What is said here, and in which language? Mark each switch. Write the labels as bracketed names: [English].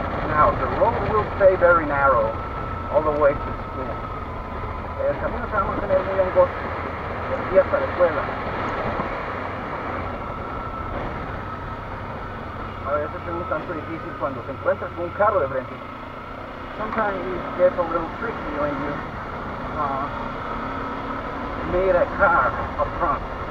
[English] Now the road will stay very narrow all the way to school. [Spanish] El camino que vamos a tener muy angosto de aquí hasta la escuela. A veces es un tanto difícil cuando te encuentras con un carro de frente. [English] Sometimes it gets a little tricky when you meet a car up front.